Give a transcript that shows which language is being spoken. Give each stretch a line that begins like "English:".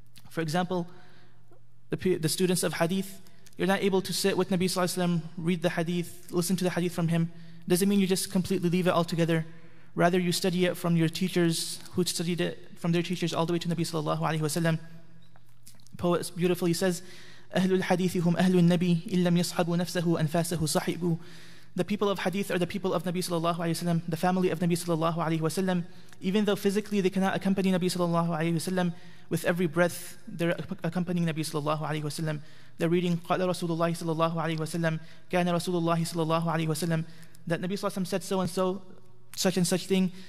English: For example, the students of hadith, you're not able to sit with Nabi Sallallahu Alaihi Wasallam, read the hadith, listen to the hadith from him. Doesn't mean you just completely leave it all together. Rather, you study it from your teachers, who studied it from their teachers all the way to Nabi Sallallahu Alaihi Wasallam.
Arabic: Poet beautifully says, أَهْلُ الْحَدِيثِ هُمْ أَهْلُ النَّبِيِّ إِلَّا لَمْ يَصْحَبُوا نَفْسَهُ أَنْفَاسَهُ صَحِبُوا.
English: The people of hadith are the people of Nabi Sallallahu Alaihi Wasallam, the family of Nabi Sallallahu Alaihi Wasallam. Even though physically they cannot accompany Nabi Sallallahu Alaihi Wasallam, with every breath they're accompanying Nabi Sallallahu Alaihi Wasallam. They're reading,
Arabic: قَالَ رَسُولُ اللَّهِ سَلَّلَّهُ عَلَيْهِ وَسَلَّمْ
English: كَانَ رَسُولُ اللَّهِ سَلَّلَّهُ عَلَيْهِ وَسَلَّمْ, that Nabi Sallallahu Alaihi Wasallam said so and so, such and such thing.